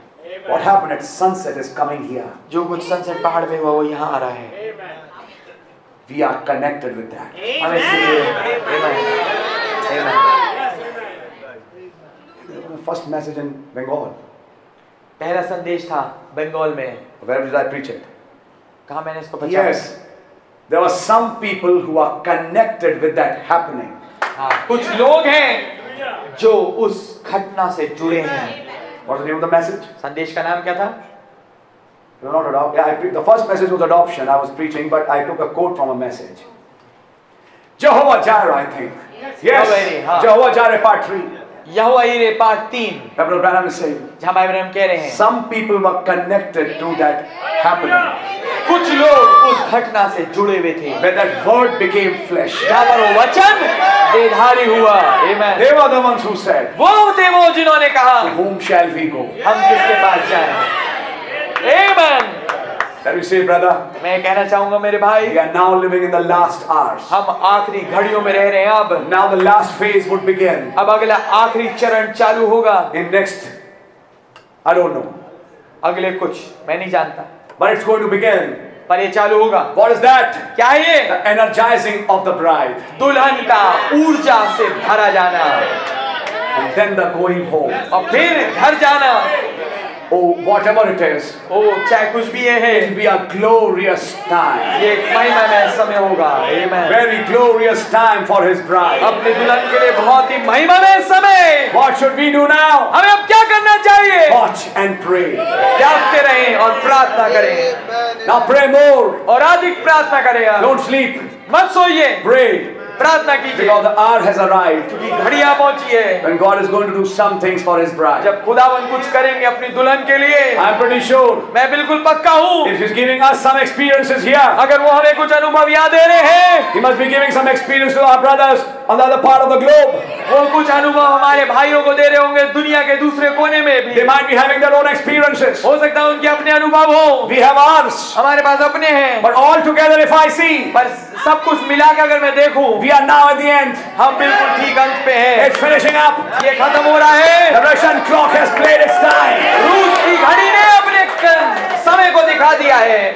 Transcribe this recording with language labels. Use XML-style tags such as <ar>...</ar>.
<en>What happened at sunset is coming here.</en> <hi>जो कुछ sunset पहाड़ पे हुआ वो यहाँ आ रहा है.</hi> <en>We are connected with that. Amen. Amen. Amen. Amen. First message in Bengal.</en> <hi>पहला संदेश था बंगाल में.</hi> <en>Where did I preach it?</en> <hi>कहाँ मैंने इसको पहुँचाया? Yes.</hi> <en>There were some people who are connected with that happening.</en> <hi>कुछ लोग हैं जो उस घटना से जुड़े हैं.</hi> <en>What was the name of the message?</en> <hi>संदेश का नाम क्या था?</hi> <en>Not adopt. Yeah, the first message was adoption. I was preaching, but I took a quote from a message. Jehovah Jireh, I think. Yes. Jehovah Jireh part 3. Yahweh Jireh part 3. Pastor Branham is saying.</en> <hi>जहाँ भाई ब्रह्म कह रहे हैं.</hi> <en>Some people were connected to that happening.</en> <hi>कुछ लोग उस घटना से जुड़े हुए थे.</hi> <en>When that word became flesh.</en> <hi>जहाँ पर वचन देहधारी हुआ. Amen.</hi> <en>They were the ones who said.</en> <hi>वो थे वो जिन्होंने कहा.</hi> <en>To whom shall we go?</en> <hi>हम किसके पास जाएं? Amen.</hi> <en>Let me say, brother.</en> <hi>मैं कहना चाहूँगा मेरे भाई.</hi> <en>We are now living in the last hours.</en> <hi>हम आखरी घड़ियों में रह रहे हैं अब.</hi> <en>Now the last phase would begin.</en> <hi>अब अगला आखरी चरण चालू होगा.</hi> <en>In next, I don't know.</en> <hi>अगले कुछ मैं नहीं जानता.</hi> <en>But it's going to begin.</en> <hi>पर ये चालू होगा.</hi> <en>What is that?</en> <hi>क्या है ये?</hi> <en>The energizing of the bride.</en> <hi>दुल्हन का ऊर्जा से भरा जाना.</hi> <en>And then the going home.</en> <hi>और फिर घर जाना.</hi> <en>Oh, whatever it is,</en> <hi>oh, चाहे कुछ भी ये है,</hi> <en>it will be a glorious time.</en> <hi>ये महिमामय समय होगा. Amen.</hi> <en>Very glorious time for His bride.</en> <hi>अपने दुल्हन के लिए बहुत ही महिमामय समय.</hi> <en>What should we do now?</en> <hi>हमें अब क्या करना चाहिए?</hi> <en>Watch and pray.</en> <hi>जागते रहें और प्रार्थना करें.</hi> <en>Now pray more.</en> <hi>और अधिक प्रार्थना करें.</hi> <en>Don't sleep.</en> <hi>मत सोइए.</hi> <en>Pray.</en> <hi>प्रार्थना कीजिए.</hi> <en>Because the hour has arrived.</en> <hi>क्योंकि घड़ी आ पहुंची है.</hi> <en>When God is going to do some things for His bride.</en> <hi>जब खुदावन कुछ करेंगे अपनी दुल्हन के लिए.</hi> <en>I'm pretty sure.</en> <hi>मैं बिल्कुल पक्का हूँ.</hi> <en>If He's giving us some experiences here.</en> <hi>अगर वो हमें कुछ अनुभव याद दे रहे हैं.</hi> <en>He must be giving some experience to our brothers on the other part of the globe.</en> <hi>वो कुछ अनुभव हमारे भाइयों को दे रहे होंगे दुनिया के दूसरे कोने में भी.</hi> <en>They might be having their own experiences.</en> <hi>हो सकता है उनके अपने अनुभव हो.</hi> <en>We have ours.</en> <hi>हमारे पास अपने हैं.</hi> <en>But all together, if I see.</en> <hi>पर सब कुछ मिला के अगर मैं देखूं.</hi> <en>We are now at the end.</en> <hi>हम बिल्कुल ठीक अंत पे हैं.</hi> <en>It's finishing up.</en> <hi>ये खत्म हो रहा है.</hi> <en>The Russian clock has played its time.</en> <hi>रूस की घड़ी ने अपने समय को दिखा दिया है.</hi>